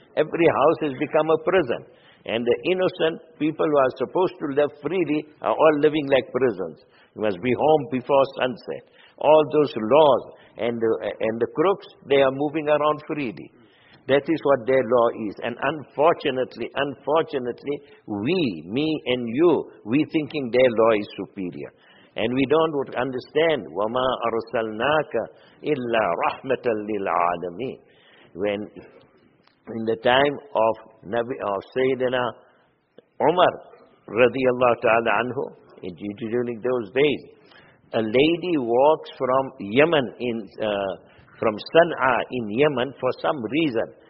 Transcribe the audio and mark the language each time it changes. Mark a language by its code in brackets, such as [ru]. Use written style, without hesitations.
[en] Every house has become a prison. And the innocent people who are supposed to live freely are all living like prisons. You must be home before sunset. All those laws and the crooks, they are moving around freely. That is what their law is. And unfortunately, we, me and you, we thinking their law is superior. And we don't understand, [ar] وَمَا أَرْسَلْنَاكَ إِلَّا رَحْمَةً لِلْعَالَمِينَ. [en] When in the time of Nabi of Sayyidina Umar, radiallahu ta'ala anhu, during those days, a lady walks from Yemen, from Sana'a in Yemen for some reason.